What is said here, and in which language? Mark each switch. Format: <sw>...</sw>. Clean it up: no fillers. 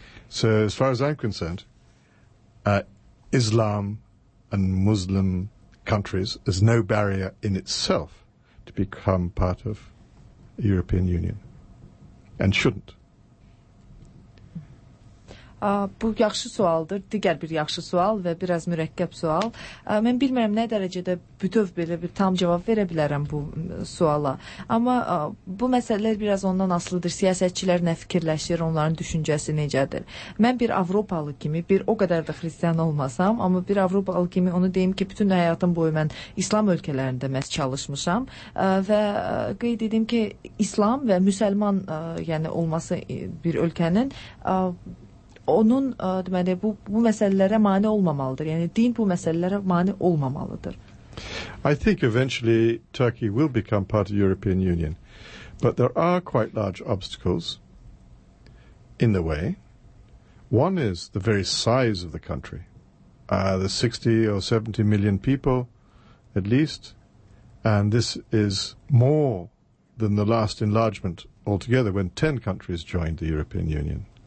<en>So as far as I'm concerned, Islam and Muslim countries is no barrier in itself to become part of the European Union, and shouldn't.</en> <az>Bu yaxşı sualdır. Digər bir yaxşı sual və biraz mürəkkəb sual. Mən bilmirəm nə dərəcədə bütöv belə bir tam cavab verə bilərəm bu suala. Amma bu məsələlər biraz ondan asılıdır. Siyasətçilər nə fikirləşir, onların düşüncəsi necədir? Mən bir Avropalı kimi, bir o qədər də xristiyan olmasam, amma bir Avropalı kimi onu deyim ki, bütün həyatım boyu mən İslam ölkələrində məhz çalışmışam və qeyd edim ki, İslam və müsəlman yəni olması bir ölkənin onun deməli bu məsələlərə mane olmamalıdır. Yəni din bu məsələlərə mane olmamalıdır.</az> <en>I think eventually Turkey will become part of the European Union. But there are quite large obstacles in the way. One is the very size of the country. The 60 or 70 million people at least, and this is more than the last enlargement altogether when 10 countries joined the European Union.</en>